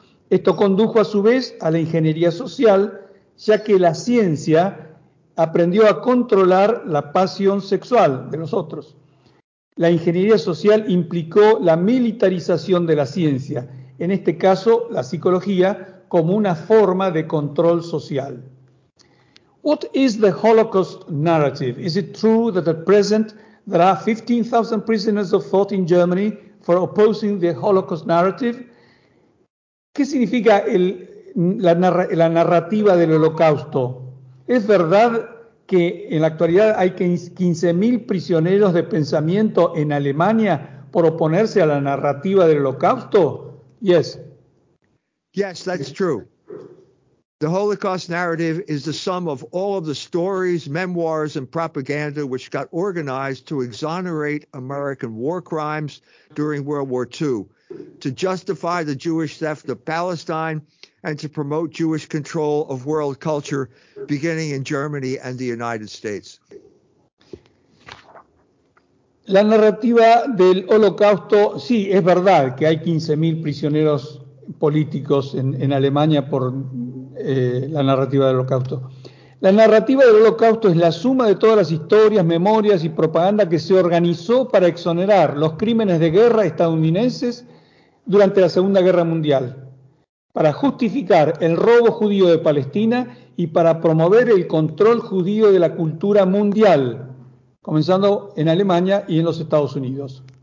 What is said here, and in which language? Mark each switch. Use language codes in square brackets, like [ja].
[es] Esto condujo a su vez a la ingeniería social, ya que la ciencia aprendió a controlar la pasión sexual de los otros. La ingeniería social implicó la militarización de la ciencia, en este caso la psicología, como una forma de control social. [en] What is the Holocaust narrative? Is it true that at present there are 15,000 prisoners of thought in Germany for opposing the Holocaust narrative? [es] ¿Qué significa la narrativa del Holocausto? ¿Es verdad que en la actualidad hay 15,000 prisioneros de pensamiento en Alemania por oponerse a la narrativa del Holocausto? [en] Yes. Yes, that's true. The Holocaust narrative is the sum of all of the stories, memoirs, and propaganda which got organized to exonerate American war crimes during World War II, to justify the Jewish theft of Palestine, and to promote Jewish control of world culture, beginning in Germany and the United States. [es] La narrativa del Holocausto, sí, es verdad que hay 15,000 prisioneros políticos en Alemania por la narrativa del Holocausto. La narrativa del Holocausto es la suma de todas las historias, memorias y propaganda que se organizó para exonerar los crímenes de guerra estadounidenses durante la Segunda Guerra Mundial, para justificar el robo judío de Palestina y para promover el control judío de la cultura mundial, comenzando en Alemania y en los Estados Unidos.